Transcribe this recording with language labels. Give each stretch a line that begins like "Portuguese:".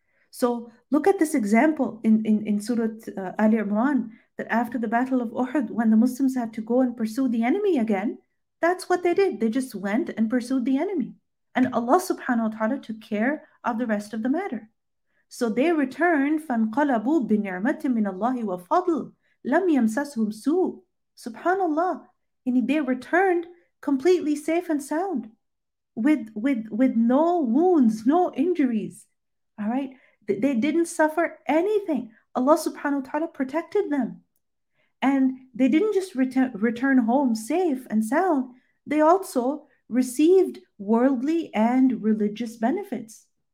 English: So look at this example in Surah Ali Imran, that after the Battle of Uhud, when the Muslims had to go and pursue the enemy again, that's what they did. They just went and pursued the enemy. And Allah subhanahu wa ta'ala took care of the rest of the matter. So they returned,
Arabic: فَانْقَلَبُوا بِنِعْمَةٍ مِّنَ اللَّهِ وَفَضْلٍ لَمْ يَمْسَسْهُمْ سُوءٌ.
English: SubhanAllah, they returned completely safe and sound, with no wounds, no injuries, all right? They didn't suffer anything. Allah subhanahu wa ta'ala protected them. And they didn't just return home safe and sound, they also received worldly and religious benefits.